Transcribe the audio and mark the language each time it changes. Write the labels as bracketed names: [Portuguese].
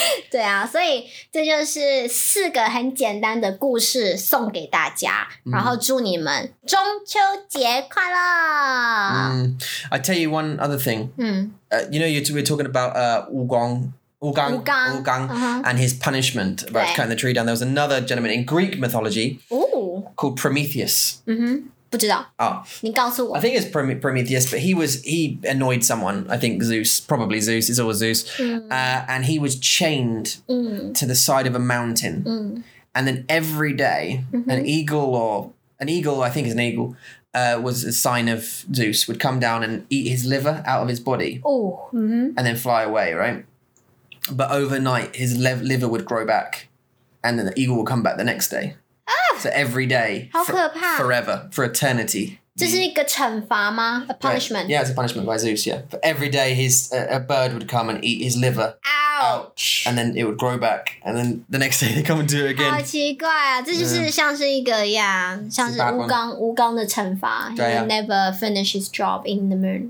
[Chinese] 对啊所以这就是四个很简单的故事送给大家、mm. 然后祝你们中秋节快乐。 [English] I tell you one other thing.、You know, we're talking about Wu Gang, and his punishment about cutting the tree down. There was another gentleman in Greek mythology、 Ooh. Called Prometheus. [Chinese] Mm-hmm. 不知道。 [English] Oh. [Chinese] 你告诉我。 [English] I think it's Prometheus, but he annoyed someone. I think Zeus, probably Zeus. It's always Zeus.、 Mm. And he was chained、 mm. to the side of a mountain.、 Mm. And then every day,、 mm-hmm. an eagle,was a sign of Zeus, would come down and eat his liver out of his body. Oh, mm-hmm. And then fly away, right? But overnight, his liver would grow back, and then the eagle would come back the next day. Ah, so every day, forever, for eternity. [Chinese] 这是一个惩罚吗? [English] A punishment? Right. Yeah, it's a punishment by Zeus, yeah. For every day, a bird would come and eat his liver. Ouch! And then it would grow back, and then the next day, they come and do it again. [Chinese] 好奇怪啊,这就是像是一个, yeah, 像是吴刚的惩罚. [English] He never finished his job in the moon.